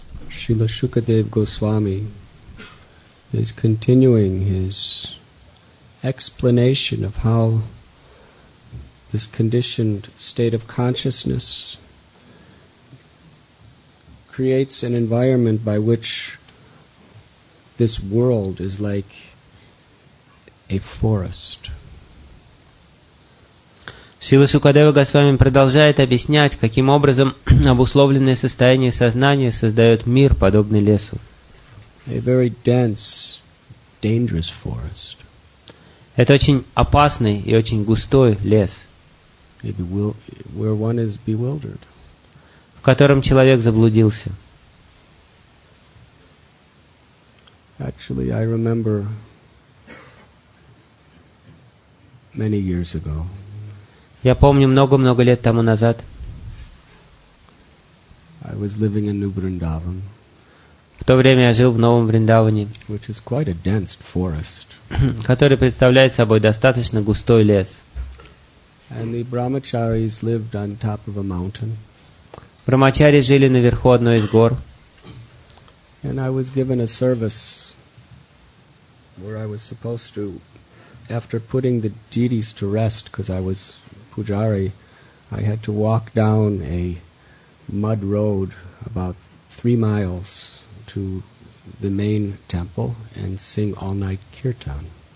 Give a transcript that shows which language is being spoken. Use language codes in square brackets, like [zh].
[en] Srila Shukadev Goswami is continuing his explanation of how this conditioned state of consciousness creates an environment by which this world is like a forest. [ru] Srila Shukadeva Goswami продолжает объяснять, каким образом обусловленное состояние сознания создает мир, подобный лесу. [en] A very dense, dangerous forest. [ru] Это очень опасный и очень густой лес, [en] where one is bewildered. [ru] В котором человек заблудился. [en] Actually, I remember many years ago. [ru] Я помню много-много лет тому назад. [en] I was living in New Vrindavan, [ru] в то время я жил в Новом Вриндаване, [en] which is quite a dense forest. [ru] Который представляет собой достаточно густой лес. [en] And the brahmacharis lived on top of a mountain. [ru] Брахмачари жили наверху одной из гор. [en] And I was given a service where I was supposed to, after putting the deities to rest, because I was Pujari, I had to walk down a mud road about 3 miles to the main temple and sing all night kirtan.